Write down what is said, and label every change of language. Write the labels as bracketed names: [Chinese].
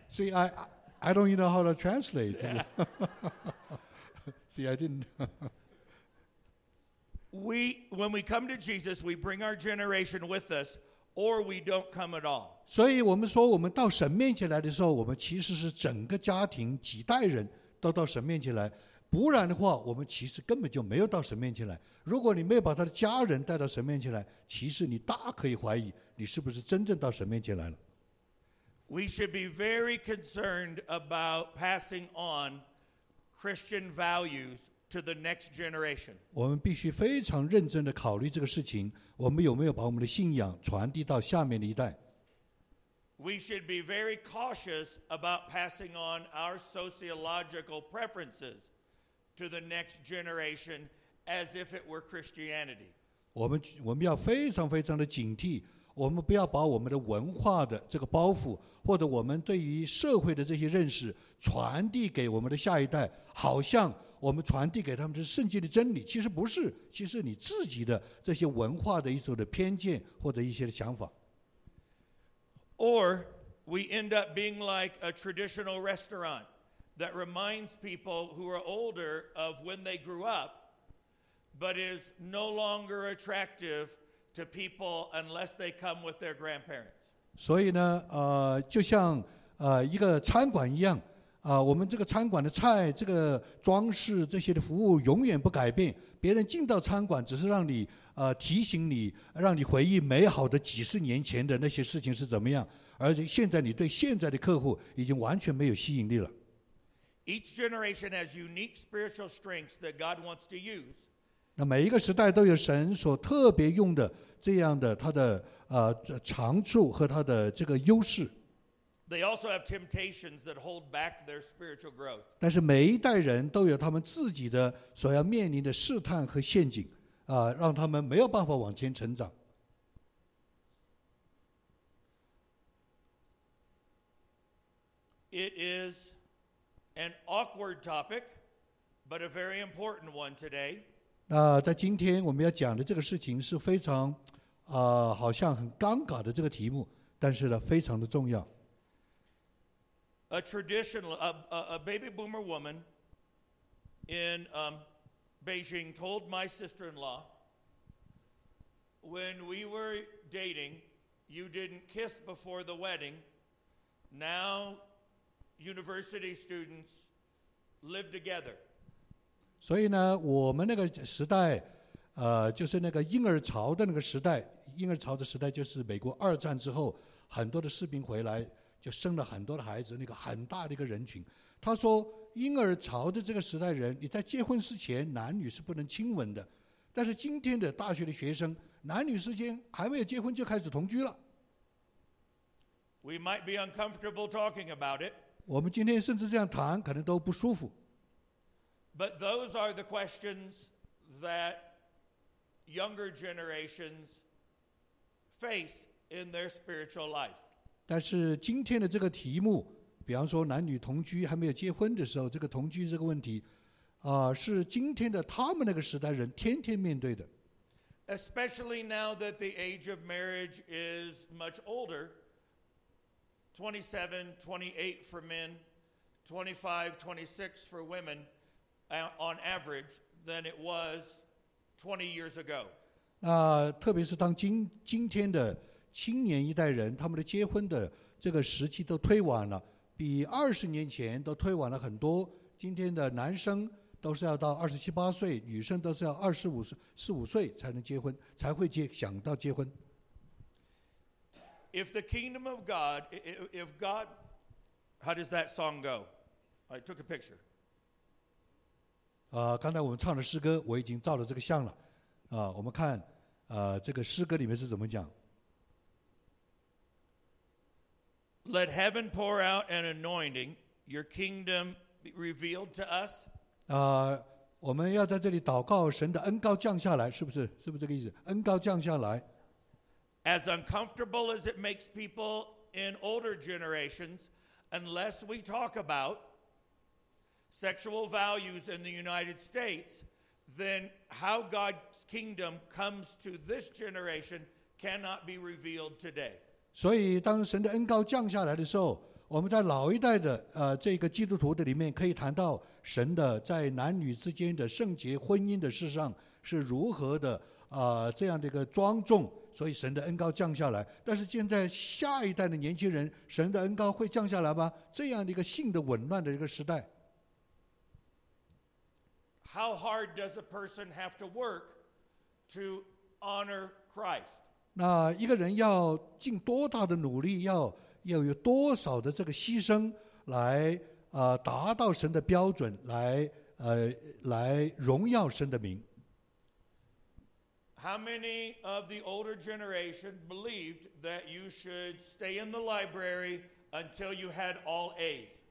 [English] See, I don't even know how to translate. Yeah. See, I didn't. When we come to Jesus, we bring our generation with us, or we don't come at all. [Chinese] 所以我们说，我们到神面前来的时候，我们其实是整个家庭几代人都到神面前来。不然的话，我们其实根本就没有到神面前来。如果你没有把他的家人带到神面前来，其实你大可以怀疑你是不是真正到神面前来了。 [English] We should be very concerned about passing on Christian values. To the next generation. [Chinese] 我们必须非常认真地考虑这个事情，我们有没有把我们的信仰传递到下面的一代。 [English] We should be very cautious about passing on our sociological preferences to the next generation as if it were Christianity. [Chinese] 我们要非常非常的警惕，我们不要把我们的文化的这个包袱，或者我们对于社会的这些认识传递给我们的下一代，好像我们传递给他们的圣经的真理，其实不是，其实你自己的这些文化的一种的偏见或者一些的想法。 [English] Or we end up being like a traditional restaurant that reminds people who are older of when they grew up, but is no longer attractive to people unless they come with their grandparents. [Chinese] 所以呢，就像一个餐馆一样。我们这个餐馆的菜这个装饰这些的服务永远不改变，别人进到餐馆只是让你提醒你，让你回忆美好的几十年前的那些事情是怎么样，而且现在你对现在的客户已经完全没有吸引力了。 [English] Each generation has unique spiritual strengths that God wants to use. [Chinese] 那每一个时代都有神所特别用的这样的他的长处和他的这个优势。 [English] They also have temptations that hold back their spiritual growth. [Chinese] 但是每一代人都有他们自己的所要面临的试探和陷阱，让他们没有办法往前成长。 [English] It is an awkward topic, but a very important one today. [Chinese] 在今天我们要讲的这个事情是非常，好像很尴尬的这个题目，但是呢，非常的重要。 [English] A traditional, a baby boomer woman in Beijing told my sister-in-law, when we were dating, you didn't kiss before the wedding. Now, university students live together. [Chinese] 所以呢，我们那个时代，就是那个婴儿潮的那个时代，婴儿潮的时代就是美国二战之后，很多的士兵回来就生了很多的孩子，那个很大的一个人群。他说婴儿潮的这个时代人，你在结婚之前男女是不能亲吻的，但是今天的大学的学生男女之间还没有结婚就开始同居了。 [English] We might be uncomfortable talking about it, [Chinese] 我们今天甚至这样谈可能都不舒服。 [English] But those are the questions that younger generations face in their spiritual life. [Chinese] 但是今天的这个题目，比方说男女同居还没有结婚的时候，这个同居这个问题，是今天的他们那个时代人天天面对的。 [English] Especially now that the age of marriage is much older, 27, 28 for men, 25, 26 for women, on average, than it was 20 years ago. [Chinese] 特别是当今天的青年一代人他们的结婚的这个时期都推晚了，比20年前都推晚了很多。今天的男生都是要到27、28岁，女生都是要25、25岁才能结婚，才会想到结婚。 [English] If the kingdom of God, if God, how does that song go? I took a picture. [Chinese] 刚才我们唱的诗歌，我已经照了这个像了。我们看，这个诗歌里面是怎么讲。 [English] Let heaven pour out an anointing, your kingdom revealed to us. [Chinese] 我们要在这里祷告神的恩膏降下来，是不是？是不是这个意思？恩膏降下来。 [English] As uncomfortable as it makes people in older generations, unless we talk about sexual values in the United States, then how God's kingdom comes to this generation cannot be revealed today. [Chinese] 所以当神的恩膏降下来的时候，我们在老一代的这个基督徒的里面可以谈到神的在男女之间的圣洁婚姻的事上是如何的这样的一个庄重，所以神的恩膏降下来。但是现在下一代的年轻人，神的恩膏会降下来吗？这样的一个性的紊乱的一个时代。 [English] How hard does a person have to work to honor Christ? [Chinese] 那一个人要尽多大的努力，要有多少的这个牺牲来达到神的标准，来荣耀神的名。 [English] How many of the older generation believed that you should stay in the library until you had all A's?